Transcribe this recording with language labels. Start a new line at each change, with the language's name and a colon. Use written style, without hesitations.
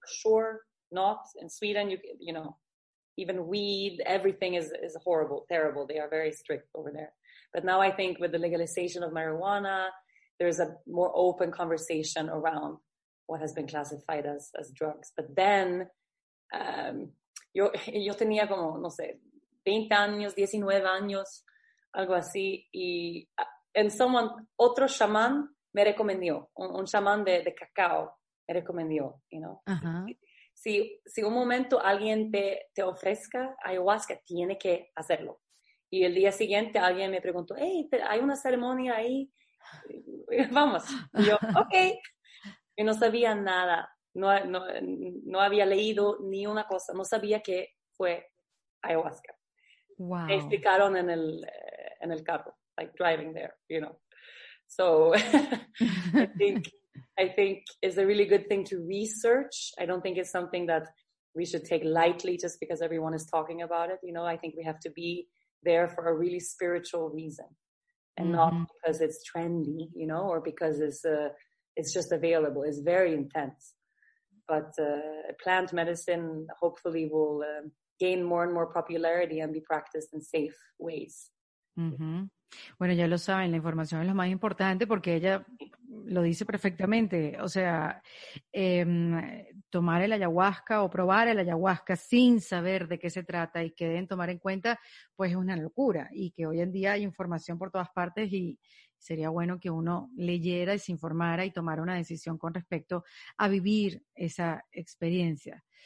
English: for sure, not. In Sweden, you know, even weed, everything is horrible, terrible. They are very strict over there. But now I think with the legalization of marijuana, there's a more open conversation around what has been classified as drugs. But then,
Spanish: yo tenía como, no sé, 20 años, 19 años, algo así, y...
English: And someone,
Spanish: otro shaman me recomendó, un shaman de cacao me recomendó,
English: you know. Uh-huh.
Spanish: Si un momento alguien te ofrezca ayahuasca, tiene que hacerlo. Y el día siguiente alguien me preguntó,
English: hey,
Spanish: hay una ceremonia ahí, vamos. Y yo, okay. Y no sabía nada, no había leído ni una cosa, no sabía que fue ayahuasca. Wow. Me explicaron en el carro.
English: Like driving there, you know. So I think it's a really good thing to research. I don't think it's something that we should take lightly just because everyone is talking about it. You know, I think we have to be there for a really spiritual reason and not because it's trendy, you know, or because it's just available. It's very intense. But plant medicine hopefully will gain more and more popularity and be practiced in safe ways. Mm-hmm.
Spanish: Bueno, ya lo saben, la información es lo más importante porque ella lo dice perfectamente. O sea, tomar el ayahuasca o probar el ayahuasca sin saber de qué se trata y que deben tomar en cuenta, pues es una locura. Y que hoy en día hay información por todas partes y sería bueno que uno leyera y se informara y tomara una decisión con respecto a vivir esa experiencia.